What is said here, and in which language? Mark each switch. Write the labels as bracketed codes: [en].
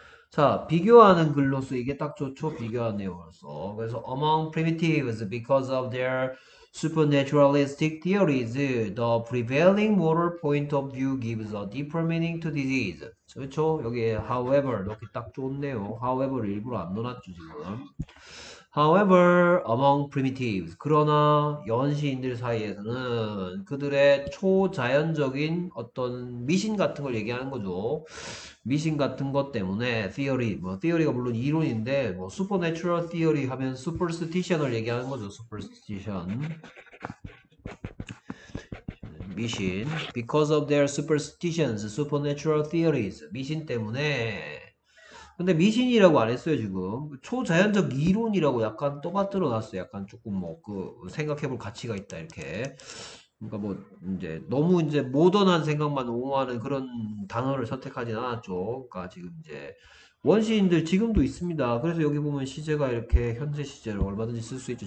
[ko] 자, 비교하는 글로서 이게 딱 좋죠. 비교한 내용으로서. 그래서 [en] among primitives because of their supernaturalistic theories, the prevailing moral point of view gives a deeper meaning to disease. [ko] 그렇죠? 여기에 however 이렇게 딱 좋네요. however를 일부러 안 넣어놨죠 지금. [en] However, among primitives, [ko] 그러나 원시인들 사이에서는 그들의 초자연적인 어떤 미신 같은 걸 얘기하는 거죠. 미신 같은 것 때문에 theory, 뭐 theory가 물론 이론인데 뭐 supernatural theory 하면 superstition을 얘기하는 거죠. [en] superstition. [ko] 미신. [en] Because of their superstitions, supernatural theories, [ko] 미신 때문에. 근데 미신이라고 안 했어요 지금. 초자연적 이론이라고 약간 떠받들어 놨어요. 약간 조금 뭐그 생각해볼 가치가 있다 이렇게. 그러니까 뭐 이제 너무 이제 모던한 생각만 옹호하는 그런 단어를 선택하진 않았죠. 그러니까 지금 이제 원시인들 지금도 있습니다. 그래서 여기 보면 시제가 이렇게 현재 시제를 얼마든지 쓸수 있죠.